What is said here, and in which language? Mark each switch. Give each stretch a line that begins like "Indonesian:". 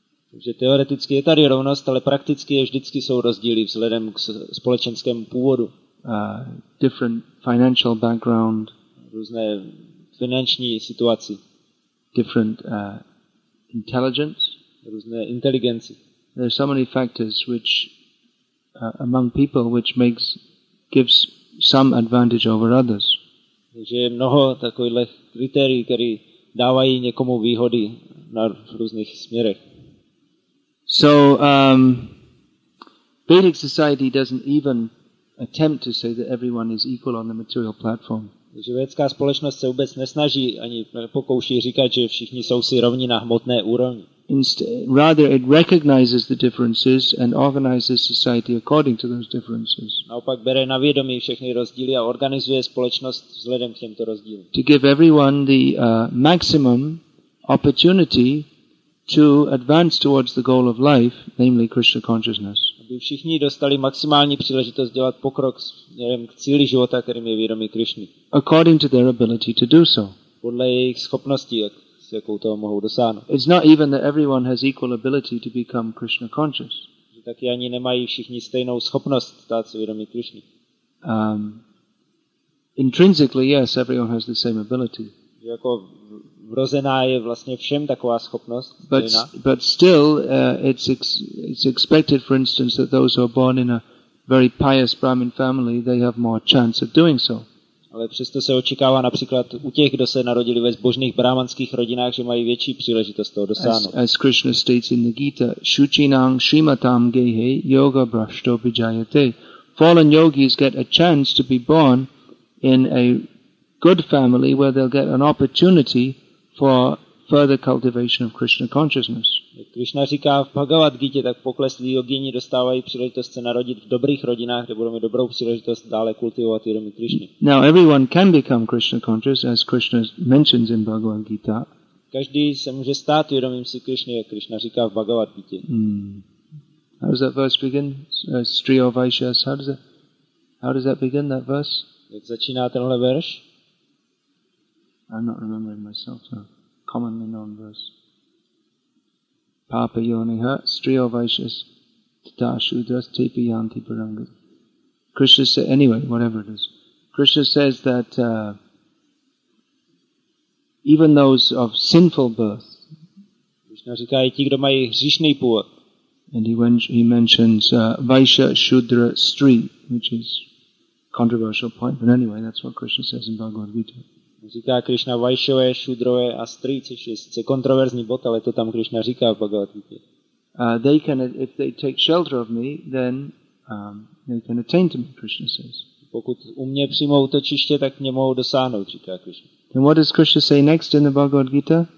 Czech: Takže teoreticky je tady rovnost, ale prakticky je vždycky jsou rozdíly vzhledem k společenskému původu.
English: Different financial background,
Czech: různé finanční situaci,
English: different intelligence,
Czech: různé inteligenci.
English: There are so many factors which among people which makes gives some advantage over others.
Czech: Takže je mnoho takových kritérií, které dávají někomu výhody na různých směrech.
English: So Vedic society doesn't even attempt to say that everyone is equal on the material platform.
Czech: Vedická společnost se vůbec nesnaží ani pokouší říkat, že všichni jsou si rovni na hmotné úrovni.
English: Rather it recognizes the differences and organizes society according to those differences.
Czech: Naopak bere na vědomí všechny rozdíly a organizuje společnost vzhledem k těmto rozdílům.
English: To give everyone the maximum opportunity to advance towards the goal of life, namely Krishna consciousness.
Czech: Aby všichni dostali maximální příležitost dělat pokrok směrem k cíli života, kterým je vědomí Krišny.
English: According to their ability to do so.
Czech: Podle jejich schopnosti, jak s jakou toho mohou dosáhnout.
English: It's not even that everyone has equal ability to become Krishna conscious.
Czech: Že taky ani nemají všichni stejnou schopnost stát se vědomí Krišny.
English: Intrinsically, yes, everyone has the same ability.
Czech: Jako vrozená je vlastně všem taková schopnost.
English: But still, it's expected, for instance, that those who are born in a very pious Brahmin family, they have more chance of doing so.
Czech: Ale přesto se očekává například u těch, kdo se narodili ve zbožných brahmanských rodinách, že mají větší příležitost toho dosáhnout.
English: As Krishna states in the Gita,
Sanskrit: Shuchinang Shrimatam Gehe Yoga Brashto Bijayate.
English: Fallen yogis get a chance to be born in a good family where they'll get an opportunity for further cultivation of Krishna consciousness.
Czech: Krishna říká v Bhagavad Gita, tak pokleslí yogini dostávají příležitost se narodit v dobrých rodinách, kde budou mít dobrou příležitost dále kultivovat vědomí Krishny.
English: Now everyone can become Krishna conscious, as Krishna mentions in Bhagavad Gita.
Czech: Každý se může stát vědomým si Krishny, jak Krishna říká v Bhagavad Gita.
English: How does that verse begin?
Sanskrit: Striyo Vaishyas,
English: how does that begin, that verse?
Czech: Jak začíná tenhle verš?
English: I'm not remembering myself, so commonly known verse.
Sanskrit: Papa Yoniha, Striyo Vaishyas, Tata Shudras, Tipi Yanti Paranga.
English: Krishna says, anyway, whatever it is. Krishna says that even those of sinful birth,
Czech: Krishna říká, i ti, kdo mají hříšný původ.
English: And he mentions Vaishya, Shudra, Stri, which is a controversial point, but anyway, that's what Krishna says in Bhagavad Gita.
Czech: Říká Krishna Vaishyové, Shudrové a Stri, což je kontroverzní bod, ale to tam Krishna říká v Bhagavad Gita.
English: They can, if they take shelter of me, then they can attain to me, Krishna says.
Czech: Pokud u mě přijmou útočiště, tak mě mohou dosáhnout, říká Krishna.
English: And what does Krishna say next in the Bhagavad Gita?